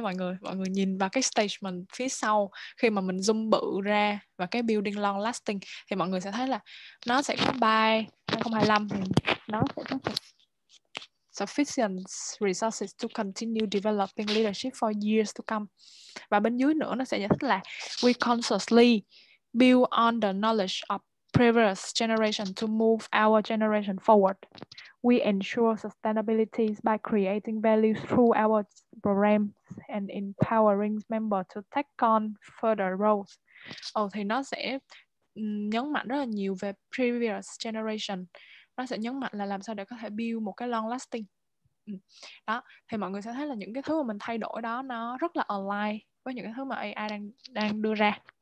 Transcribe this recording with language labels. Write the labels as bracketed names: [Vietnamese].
[Vietnamese] Mọi người nhìn vào cái stage mình phía sau khi mà mình zoom bự ra, và cái [English] building long lasting, [Vietnamese] thì mọi người sẽ thấy là nó sẽ có buy 2025, thì nó sẽ có [English] sufficient resources to continue developing leadership for years to come. [Vietnamese] Và bên dưới nữa nó sẽ giải thích là [English] we consciously build on the knowledge of previous generation to move our generation forward. We ensure sustainability by creating value through our programs and empowering members to take on further roles. [Vietnamese] Ồ, thì nó sẽ nhấn mạnh rất là nhiều về [English] previous generation. [Vietnamese] Nó sẽ nhấn mạnh là làm sao để có thể build một cái [English] long lasting. [Vietnamese] Đó, thì mọi người sẽ thấy là những cái thứ mà mình thay đổi đó nó rất là align với những cái thứ mà AI đang đưa ra.